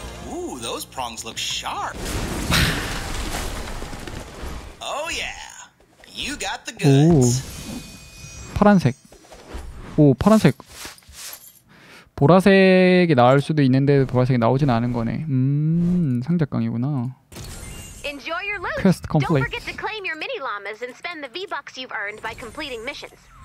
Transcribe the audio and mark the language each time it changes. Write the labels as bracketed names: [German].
[English] Ooh, those prongs look sharp. Oh yeah, you got the goods. [Korean] 파란색. 오, 파란색. 보라색이 나올 수도 있는데 보라색이 나오진 않은 거네. 상자깡이구나. [English] Enjoy your loot. Quest complete. Don't forget to claim your mini llamas and spend the V-bucks you've earned by completing missions.